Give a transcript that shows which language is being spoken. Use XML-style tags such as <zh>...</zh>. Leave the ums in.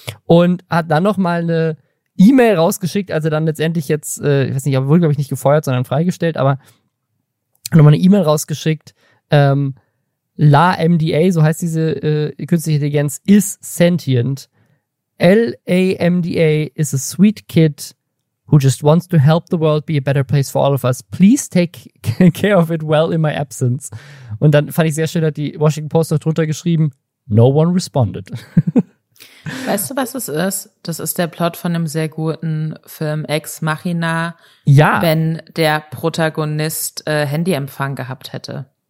<de>und hat dann noch mal eine E-Mail rausgeschickt, als er dann letztendlich jetzt, äh, ich weiß nicht, aber wurde, glaube ich, nicht gefeuert, sondern freigestellt, aber nochmal eine E-Mail rausgeschickt, ähm, La MDA, so heißt diese äh, künstliche Intelligenz,</de> <en>is sentient. LAMDA is a sweet kid who just wants to help the world be a better place for all of us. Please take care of it well in my absence.</en> <de>Und dann fand ich sehr schön, hat die Washington Post noch drunter geschrieben,</de> <en>no one responded.</en> <de>Weißt du, was es ist? Das ist der Plot von einem sehr guten Film Ex Machina, ja, wenn der Protagonist äh, Handyempfang gehabt hätte.</de>